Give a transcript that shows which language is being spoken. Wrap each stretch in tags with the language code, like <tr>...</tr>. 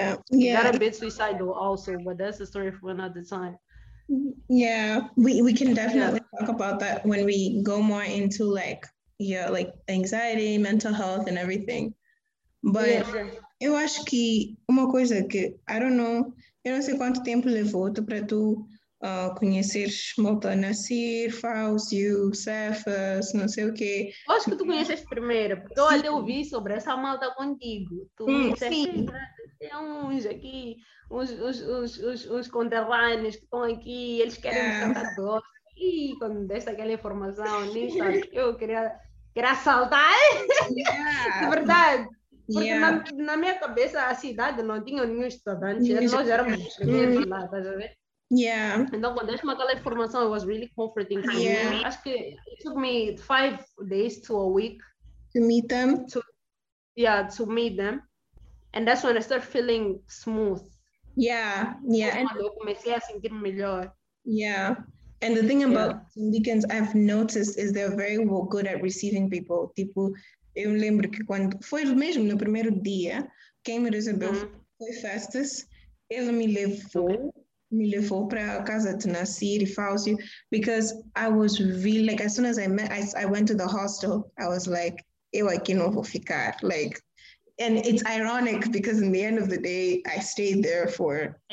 <en>Got a bit suicidal also, but that's a story for another time. Yeah, we can Yeah. definitely talk about that when we go more into like anxiety, mental health and everything. But Yeah, sure.</en> <pt>eu acho que uma coisa que eu não sei quanto tempo levou para tu conheceres Malta Nassir, Fauzi, Cefas, não sei o quê. Acho que tu conheces primeiro, porque eu até ouvi sobre essa malta contigo. Tu me disseste, tem uns aqui, uns conterrâneos que estão aqui, eles querem me tratar de doce. E quando deste aquela informação, nem sabes, eu queria saltar. De verdade. Porque na minha cabeça, a cidade não tinha nenhum estudante, nós éramos estrangeiros lá, estás a ver? Então, quando deixo-me aquela informação,</pt> <en>it was really comforting for me.</en> <pt>Acho que</pt> <en>it took me 5 days to a week To meet them. to meet them. And that's when I started feeling smooth.</en> <pt>Foi quando eu comecei a sentir melhor.</pt> <en>And the thing about Zambicans, I've noticed, is they're very well good at receiving people.</en> <pt>Tipo, eu lembro que quando foi mesmo no primeiro dia, quem me recebeu foi Festus. Ele me levou para a casa de Nasir e Fauzi,</pt> <en>because I was really like, as soon as I met, I went to the hostel. I was like,</en> <pt>eu aqui não vou ficar.</pt> <en>Like, and it's ironic because in the end of the day, I stayed there for</en>